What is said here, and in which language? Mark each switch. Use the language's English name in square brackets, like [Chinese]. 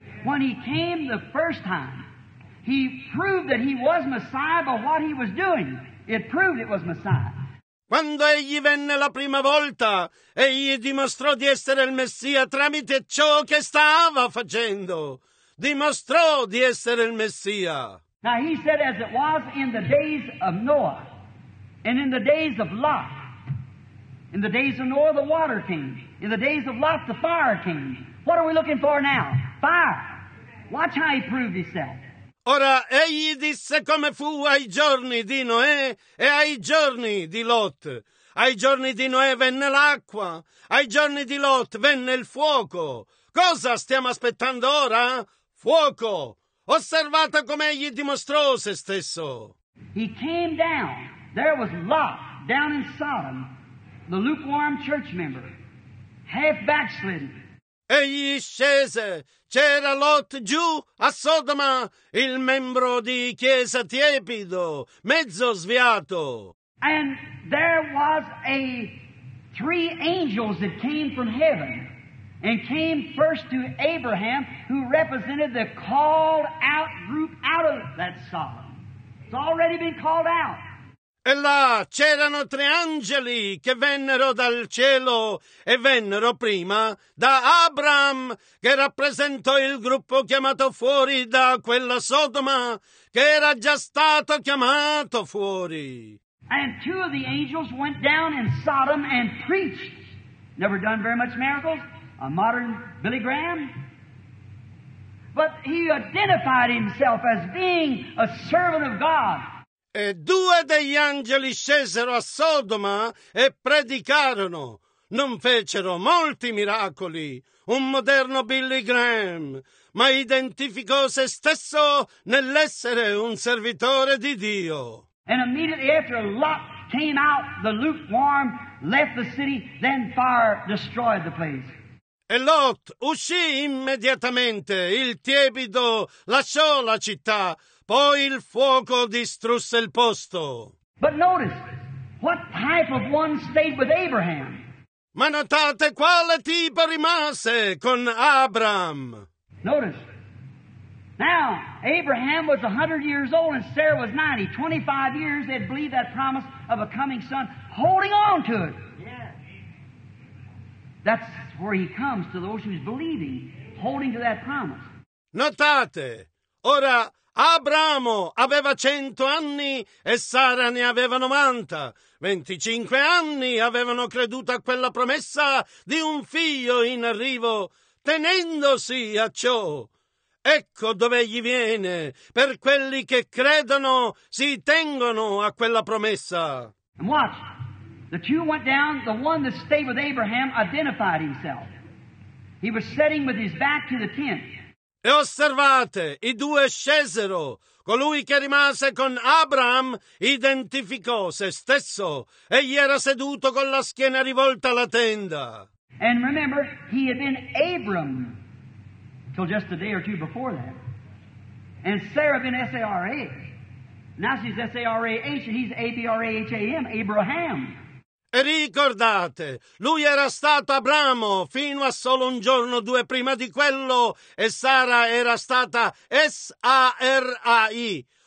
[English] When he came the first time, he proved that he was Messiah by what he was doing. It proved it was Messiah. [Italian] Quando egli venne la prima volta, egli dimostrò di essere il Messia tramite ciò che stava facendo. Dimostrò di essere il Messia. [English] Now he said as it was in the days of Noah and in the days of Lot. In the days of Noah the water came. In the days of Lot the fire came. What are we looking for now? Fire. Watch how he proved himself. [Italian] Ora, egli disse come fu ai giorni di Noè e ai giorni di Lot. Ai giorni di Noè venne l'acqua, ai giorni di Lot venne il fuoco. Cosa stiamo aspettando ora? Fuoco! Osservate come egli dimostrò se stesso. [English] He came down. There was Lot down in Sodom, the lukewarm church member, half backslidden. [Italian] Egli scese, c'era Lot giù a Sodoma, il membro di chiesa tiepido, mezzo sviato. [English] And there was a three angels that came from heaven and came first to Abraham, who represented the called out group out of that Sodom. It's already been called out. [Italian] E là c'erano tre angeli che vennero dal cielo e vennero prima da Abram, che rappresentò il gruppo chiamato fuori da quella Sodoma, che era già stato chiamato fuori. [English] And two of the angels went down in Sodom and preached. Never done very much miracles. A modern Billy Graham. But he identified himself as being a servant of God. [Italian] E due degli angeli scesero a Sodoma e predicarono. Non fecero molti miracoli, un moderno Billy Graham, ma identificò se stesso nell'essere un servitore di Dio. [English] And immediately after Lot came out, the lukewarm left the city, then fire destroyed the place. [Italian] E Lot uscì immediatamente, il tiepido lasciò la città. Poi il fuoco distrusse il posto. [English] But notice, what type of one stayed with Abraham? [Italian] Ma notate quale tipo rimase con Abram. [English] Notice, now Abraham was 100 years old and Sarah was 90. 25 years they'd believed that promise of a coming son, holding on to it. That's where he comes to those who's believing, holding to that promise. [Italian] Notate, ora Abramo aveva 100 anni e Sara ne aveva 90. 25 anni avevano creduto a quella promessa di un figlio in arrivo, tenendosi a ciò. Ecco dove gli viene. Per quelli che credono, si tengono a quella promessa. [English] And watch. The two went down. The one that stayed with Abraham identified himself. He was sitting with his back to the tent. [Italian] E osservate, i due scesero. Colui che rimase con Abram identificò se stesso. Egli era seduto con la schiena rivolta alla tenda. [English] And remember, he had been Abram till just a day or two before that. And Sarah been S-A-R-A-H. Now she's S-A-R-A-H and he's A-B-R-A-H-A-M, Abraham. [Italian] E ricordate, lui era stato Abramo fino a solo un giorno o due prima di quello e Sara era stata S-A-R-A-I.